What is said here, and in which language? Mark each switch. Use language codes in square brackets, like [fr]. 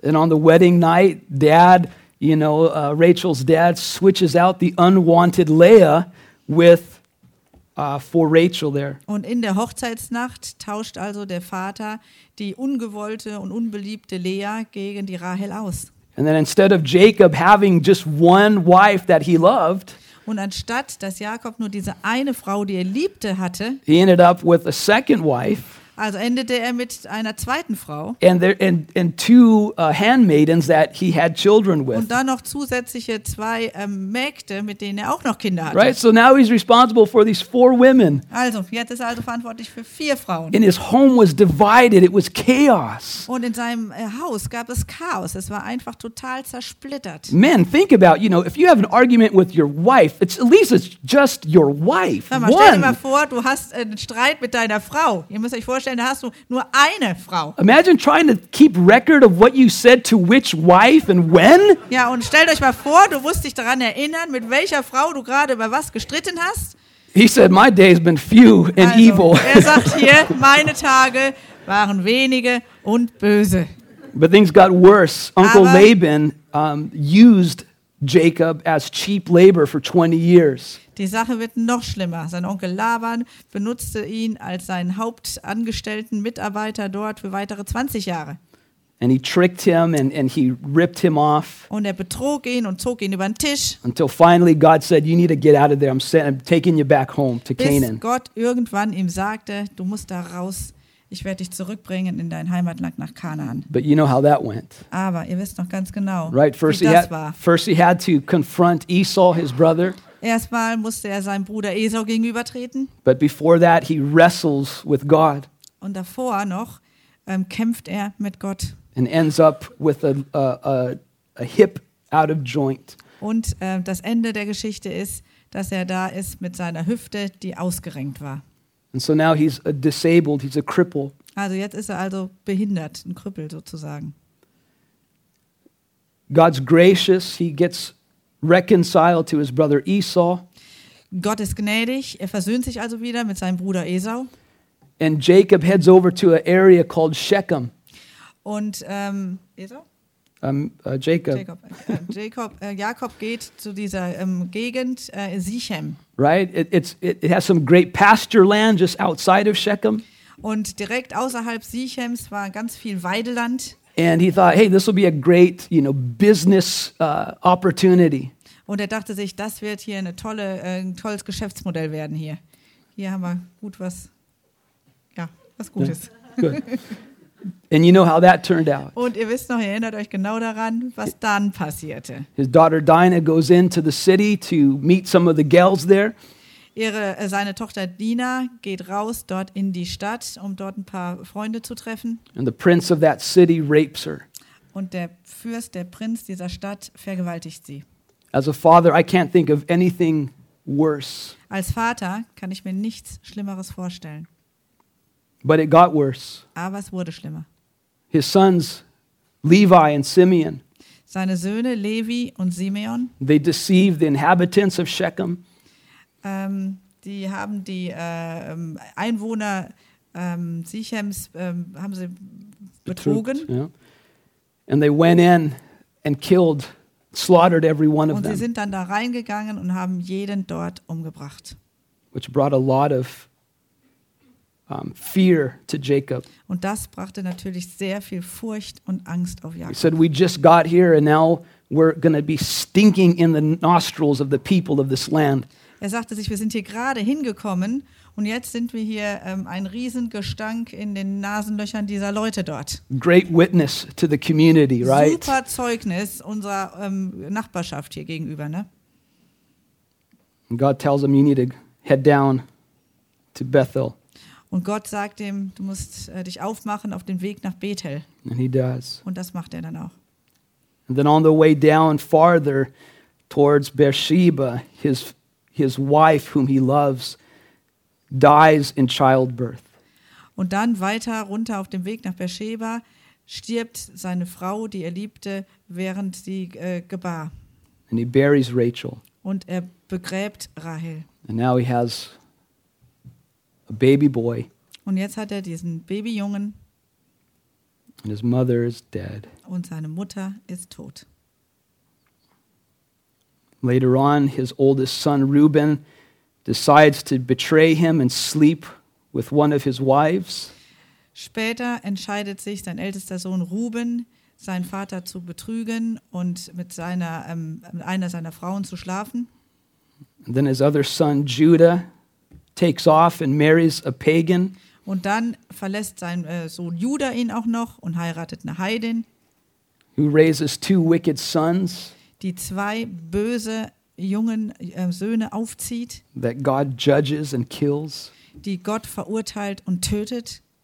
[en] And on the wedding night, Dad, you know, Rachel's dad switches out the unwanted Leah with for Rachel there. [de] Und in der Hochzeitsnacht tauscht also der Vater die ungewollte und unbeliebte Leah gegen die Rahel aus. [en] And then instead of Jacob having just one wife that he loved. [de] Und anstatt dass Jakob nur diese eine Frau, die er liebte, hatte, [en] he ended up with a second wife. [de] Also endete er mit einer zweiten Frau. [en] And two handmaidens that he had children with. [de] Und dann noch zusätzliche 2 Mägde, mit denen er auch noch Kinder hatte. [en] Right, so now he's responsible for these 4 women. [de] Also, jetzt ist er also verantwortlich für 4 Frauen. [en] And his home was divided, it was chaos. [de] Und in seinem Haus gab es Chaos, es war einfach total zersplittert. [en] Men, think about, you know, if you have an argument with your wife, it's at least it's just your wife. [de] Mal, stell dir mal vor, du hast einen Streit mit deiner Frau. Ihr müsst euch vorstellen, da hast du nur eine Frau. [en] Imagine trying to keep record of what you said to which wife and when. [de] Ja, und stellt euch mal vor, du musst dich daran erinnern, mit welcher Frau du gerade über was gestritten hast. [en] He said, my day's been few and also, evil. [de] Er sagt hier, meine Tage waren wenige und böse. [en] But things got worse. Uncle Laban used Jacob as cheap labor for 20 years. [de] Die Sache wird noch schlimmer. Sein Onkel Laban benutzte ihn als seinen hauptangestellten Mitarbeiter dort für weitere 20 Jahre. [en] And he tricked him and he ripped him off. [de] Und er betrog ihn und zog ihn über den Tisch. [en] Until finally God said, you need to get out of there. I'm taking you back home to Canaan. [de] Bis Gott irgendwann ihm sagte, du musst da raus. Ich werde dich zurückbringen in dein Heimatland nach Kanaan. [en] But you know how that went. [de] Aber ihr wisst noch ganz genau, [en] right, first [de] wie [en] he [de] das [en] had, [de] war. [en] First he had to confront Esau, his brother. [de] Erstmal musste er seinem Bruder Esau gegenübertreten. [en] But before that he wrestles with God. [de] Und davor noch kämpft er mit Gott. [en] And ends up with a hip out of joint. [de] Und das Ende der Geschichte ist, dass er da ist mit seiner Hüfte, die ausgerenkt war. [en] And so now he's a disabled, he's a cripple. [de] Also jetzt ist er also behindert, ein Krüppel sozusagen. [en] God's gracious, he gets reconciled to his brother Esau. [de] Gott ist gnädig, er versöhnt sich also wieder mit seinem Bruder Esau. [en] And Jacob heads over to an area called Shechem. [de] Und Esau? [en] Jacob. [de] Jakob geht zu dieser Gegend Sichem. [en] Right, it has some great pasture land just outside of Shechem. [de] Und direkt außerhalb Sichems war ganz viel Weideland. [en] And he thought, hey, this will be a great, you know, business opportunity. [de] Und er dachte sich, das wird hier eine tolle, ein tolles Geschäftsmodell werden hier. Hier haben wir gut was, ja, was Gutes. [en] Yeah. Good. And you know how that turned out. [de] Und ihr wisst noch, ihr erinnert euch genau daran, was dann passierte. [en] His daughter Dinah goes into the city to meet some of the girls there. [de] Seine Tochter Dina geht raus dort in die Stadt, um dort ein paar Freunde zu treffen. [en] And the prince of that city rapes her. [de] Und der Fürst, der Prinz dieser Stadt, vergewaltigt sie. [en] As a father, I can't think of anything worse. [de] Als Vater kann ich mir nichts Schlimmeres vorstellen. [en] But it got worse. [de] Aber es wurde schlimmer. [en] His sons, Levi and Simeon. [de] Seine Söhne Levi und Simeon. [en] They deceived the inhabitants of Shechem. [de] Die haben die Einwohner Sichems haben sie betrogen. [en] Yeah. And they went in and killed, slaughtered every one of them. [de] Und sie sind dann da reingegangen und haben jeden dort umgebracht. [en] Which brought a lot of fear to Jacob. [de] Und das brachte natürlich sehr viel Furcht und Angst auf Jakob. [en] He said, we just got here and now we're going to be stinking in the nostrils of the people of this land. [de] Er sagte sich, wir sind hier gerade hingekommen und jetzt sind wir hier ein Riesengestank in den Nasenlöchern dieser Leute dort. [en] Great witness to the community, right? [de] Super Zeugnis unserer Nachbarschaft hier gegenüber, ne? [en] And God tells him, you need to head down to Bethel. [de] Und Gott sagt ihm, du musst dich aufmachen auf den Weg nach Bethel. [en] And he does. [de] Und das macht er dann auch. [en] And then on the way down farther towards Beersheba, his wife, whom he loves, dies in childbirth. [de] Und dann weiter runter auf dem Weg nach Beersheba stirbt seine Frau, die er liebte, während sie gebar. [en] And he buries Rachel. [de] Und er begräbt Rahel. [en] And now he has a baby boy. [de] Und jetzt hat er diesen Babyjungen. [en] And his mother is dead. [de] Und seine Mutter ist tot. [en] Later on, his oldest son Reuben decides to betray him and sleep with one of his wives. [de] Später entscheidet sich sein ältester Sohn Reuben, seinen Vater zu betrügen und mit seiner mit einer seiner Frauen zu schlafen. [en] And then his other son Judah takes off and marries a pagan. [de] Und dann verlässt sein Sohn Judah ihn auch noch und heiratet eine Heidin. [en] Who raises two wicked sons. [de] Die zwei böse jungen Söhne aufzieht. [en] That God judges and kills. [de] Die Gott verurteilt und tötet.